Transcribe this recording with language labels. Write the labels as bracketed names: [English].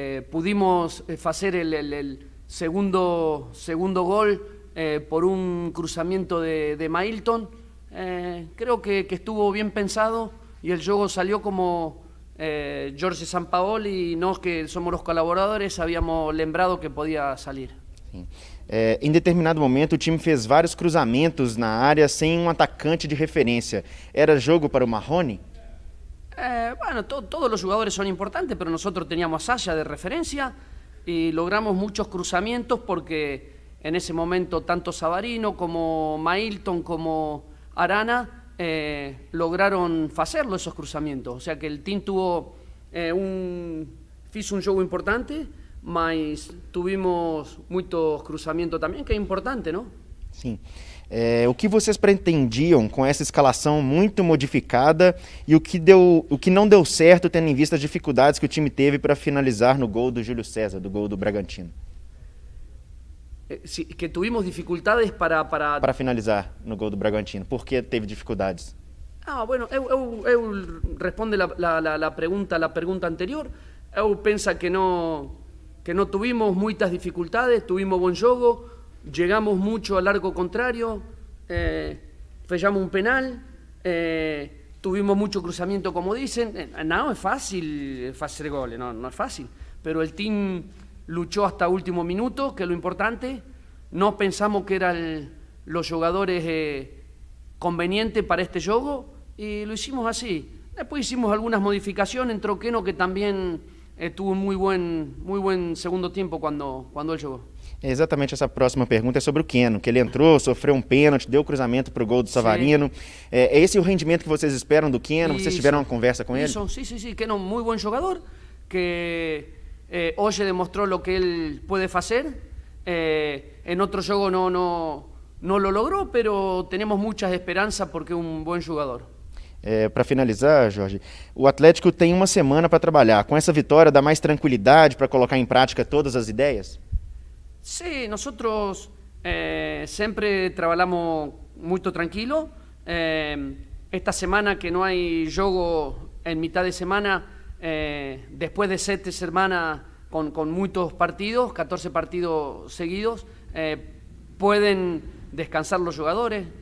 [Spanish] Pudimos hacer el segundo gol por un cruzamiento de Mailton. Creo que estuvo bien pensado y el juego salió como Jorge Sampaoli y no que somos los colaboradores, habíamos lembrado que podía salir. [Portuguese] Sim. Em determinado momento, o time fez vários cruzamentos na área sem um atacante de referência. Era jogo para o Marrone? [Spanish] Bueno, todos los jugadores son importantes, pero nosotros teníamos a Saša de referencia y logramos muchos cruzamientos porque en ese momento tanto Savarino como Mailton como Arana lograron hacerlo esos cruzamientos. O sea que el team tuvo hizo un juego importante, mas tuvimos muchos cruzamientos también, que es importante, ¿no? [Portuguese] Sim. O que vocês pretendiam com essa escalação muito modificada e o que não deu certo, tendo em vista as dificuldades que o time teve para finalizar no gol do Júlio César, do gol do Bragantino? [Spanish] Sí, que tuvimos dificultades [Portuguese] Para finalizar no gol do Bragantino, por que teve dificuldades? [Spanish] Ah, bueno, [Portuguese] eu respondo [Spanish] la pregunta anterior. [Portuguese] Eu penso que [Spanish] no tuvimos muchas dificultades, tuvimos buen juego, llegamos mucho al arco contrario, fallamos un penal, tuvimos mucho cruzamiento, como dicen. No es fácil hacer goles, no es fácil, pero el team luchó hasta último minuto, que es lo importante. No pensamos que eran los jugadores convenientes para este juego y lo hicimos así. Después hicimos algunas modificaciones, entró Keno, que también tuvo muy buen segundo tiempo cuando él llegó. [Portuguese] Exatamente, essa próxima pergunta é sobre o Keno, que ele entrou, sofreu um pênalti, deu cruzamento para o gol do Sim. Savarino. É esse o rendimento que vocês esperam do Keno? Vocês tiveram uma Isso. conversa com ele? Isso, sim. [Spanish] Keno, muy buen jugador, que hoy demostró lo que él puede hacer. En otro juego no lo logró, pero tenemos muchas esperanzas porque es un buen jugador. [Portuguese] Para finalizar, Jorge, o Atlético tem uma semana para trabalhar. Com essa vitória, dá mais tranquilidade para colocar em prática todas as ideias? [Spanish] Sí, nosotros siempre trabajamos muy tranquilo. Esta semana que no hay juego en mitad de semana, después de 7 semanas con muchos partidos, 14 partidos seguidos, pueden descansar los jugadores.